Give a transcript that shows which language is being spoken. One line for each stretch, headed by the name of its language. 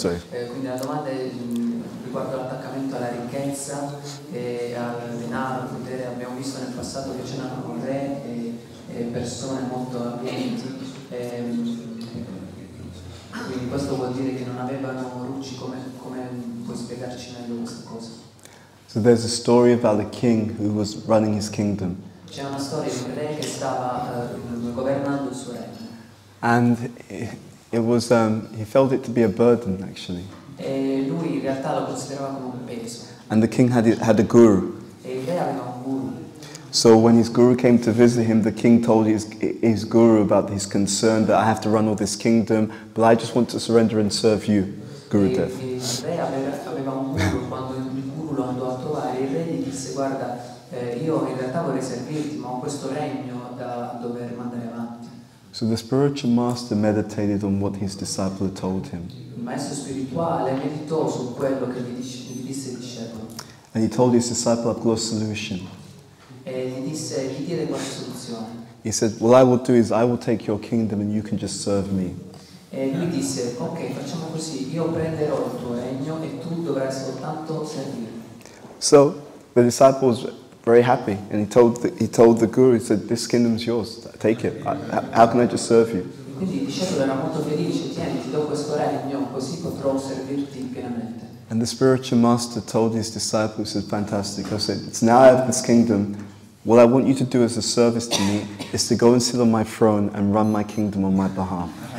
Italian: quindi la domanda è riguardo all'attaccamento alla ricchezza e al denaro, al potere. Abbiamo visto nel passato che c'erano i re e persone molto abbienti, quindi questo vuol dire che non avevano Ruchi. Come puoi spiegarci meglio questa cosa?
English: So there's a story about a king who was running his kingdom.
Italian: C'è una storia di un re che stava governando il suo regno.
English: And it was, he felt it to be a burden, actually.
Italian: E lui in realtà lo considerava come un peso.
English: And the king had a guru.
Italian: E il re aveva un guru.
English: So when his guru came to visit him, the king told his guru about his concern that I have to run all this kingdom, but I just want to surrender and serve you, Gurudev.
Italian: E il re aveva un guru, quando il guru lo andò a trovare, il re gli disse, guarda, io in realtà vorrei servirti, ma ho questo regno da dover mandare avanti.
English: So the spiritual master meditated on what his disciple had told him.
Italian: Il maestro spirituale meditò su quello che gli disse il discepolo.
English: And he told his disciple a close solution.
Italian: E gli disse, chi tiene qualche soluzione?
English: He said, what I will do is I will take your kingdom and you can just serve me.
Italian: E lui disse, ok, facciamo così, io prenderò il tuo regno e tu dovrai soltanto servirmi.
English: So the disciples very happy, and he told the guru, he said, this kingdom is yours, take it, how can I just serve you? And the spiritual master told his disciples, he said, fantastic, I said, it's now I have this kingdom, what I want you to do as a service to me is to go and sit on my throne and run my kingdom on my behalf.